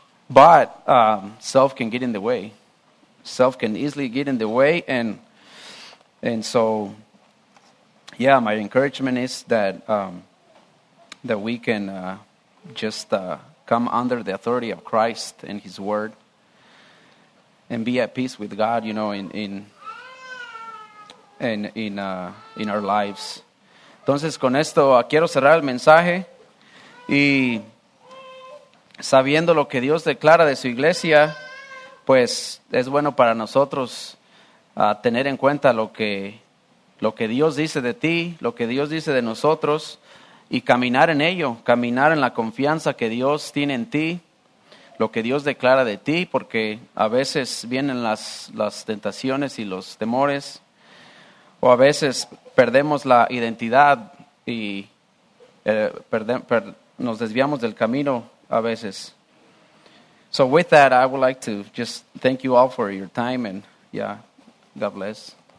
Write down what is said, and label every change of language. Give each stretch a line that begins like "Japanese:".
English: But self can get in the way. Self can easily get in the way, and so, yeah, my encouragement is that that we can come under the authority of Christ and his word and be at peace with God, in our lives.
Spanish: Entonces, con esto quiero cerrar el mensaje, y sabiendo lo que Dios declara de su iglesia, pues es bueno para nosotros tener en cuenta lo que Dios dice de ti, lo que Dios dice de nosotros, y caminar en ello, caminar en la confianza que Dios tiene en ti, lo que Dios declara de ti, porque a veces vienen las tentaciones y los temores, o a veces perdemos la identidad y nos desviamos del camino a veces.
English: So with that, I would like to just thank you all for your time, and yeah, God bless.